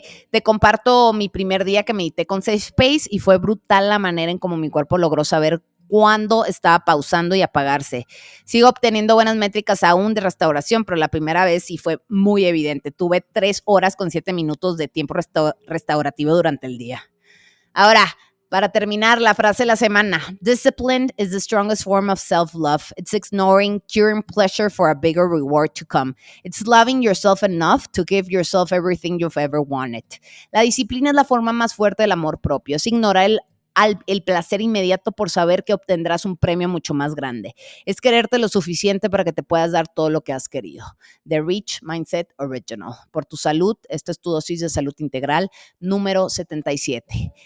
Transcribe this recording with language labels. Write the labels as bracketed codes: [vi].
[es] Te comparto mi primer día que medité con Safe Space y fue brutal la manera en cómo mi cuerpo logró saber cuándo estaba pausando y apagarse. Sigo obteniendo buenas métricas aún de restauración, pero la primera vez sí fue muy evidente. Tuve 3 horas con 7 minutos de tiempo restaurativo durante el día. Ahora, para terminar, la frase de la semana. [en] Discipline is the strongest form of self-love. It's ignoring current pleasure for a bigger reward to come. It's loving yourself enough to give yourself everything you've ever wanted. [es] La disciplina es la forma más fuerte del amor propio. Es ignorar el placer inmediato por saber que obtendrás un premio mucho más grande. Es quererte lo suficiente para que te puedas dar todo lo que has querido. The Rich Mindset Original. Por tu salud, esta es tu dosis de salud integral número 77.